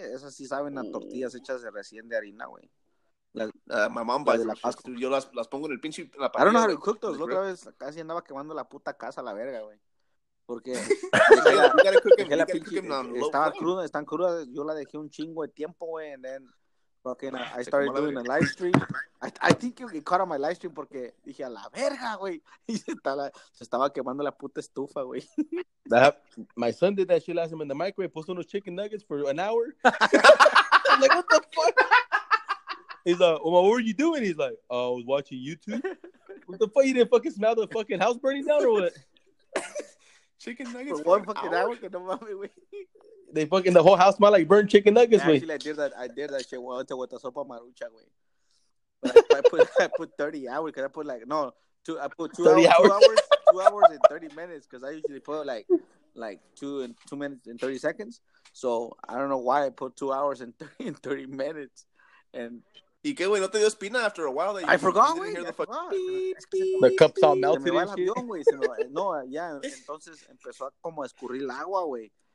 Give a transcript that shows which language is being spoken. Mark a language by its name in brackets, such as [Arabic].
[Spanish] Esas sí saben a tortillas hechas de recién de harina, güey. [English] My mom buys them. [Spanish] Yo las pongo en el pinche. En la pared, [English] I don't know how to cook those. [Spanish] La otra vez casi andaba quemando la puta casa a la verga, güey. Porque estaba cruda, están crudas. Yo la dejé un chingo de tiempo, güey. [English] And then, I started doing a live stream. I think you caught on my live stream [Spanish] porque dije, a la verga, güey. Y se estaba quemando la puta estufa, güey. [English] My son did that shit last time in the microwave. [Spanish] Puso unos [English] chicken nuggets for an hour. I'm like, what the fuck? He's like, well, what were you doing? He's like, oh, I was watching YouTube. What the fuck? You didn't fucking smell the fucking house burning down or what? Chicken nuggets for one fucking hour? [Spanish] Que no mames, [English] they fucking the whole house smell like burnt chicken nuggets, man. I did that shit with the sopa marucha, güey. I put 30 hours because I put like, no, two, I put 2 hours. 2 hours and 30 minutes because I usually put like 2 minutes and 30 seconds. So I don't know why I put 2 hours and 30 minutes. And. [Spanish] ¿Y qué, güey? ¿No te dio espina [English] after a while? I forgot, güey. Fucking... The cup's all melted and shit. [Spanish] No, ya. Entonces empezó a como escurrir el agua, güey.